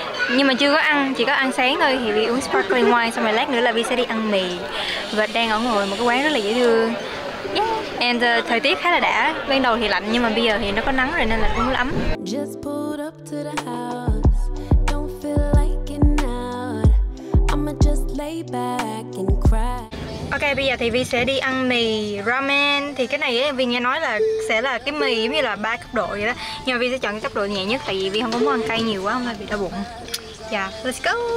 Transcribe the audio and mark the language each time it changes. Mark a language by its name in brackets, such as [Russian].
[Vietnamese] Nhưng mà chưa có ăn, chỉ có ăn sáng thôi. Thì Vi uống sparkling wine, xong rồi lát nữa là Vi sẽ đi ăn mì. Và đang ở ngồi một cái quán rất là dễ thương. And thời tiết khá là đã, ban đầu thì lạnh nhưng mà bây giờ thì nó có nắng rồi nên là cũng ấm. [English] Just pulled up to the house, don't feel like it out. I'ma just lay back and cry. [Vietnamese] Ok, bây giờ thì Vi sẽ đi ăn mì ramen. Thì cái này ấy, Vi nghe nói là sẽ là cái mì giống như là 3 cấp độ vậy đó. Nhưng mà Vi sẽ chọn cái cấp độ nhẹ nhất tại vì Vi không có muốn ăn cay nhiều quá, không phải bị đau bụng. [English] Yeah, let's go.